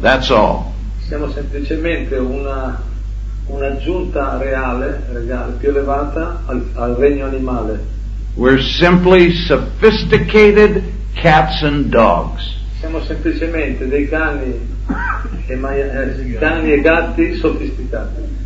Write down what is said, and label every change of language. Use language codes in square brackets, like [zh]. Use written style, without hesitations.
[en] That's all. [it] Siamo semplicemente un'aggiunta reale più elevata al regno animale. [en] We're simply sophisticated cats and dogs. [it] Siamo semplicemente dei cani e gatti sofisticati.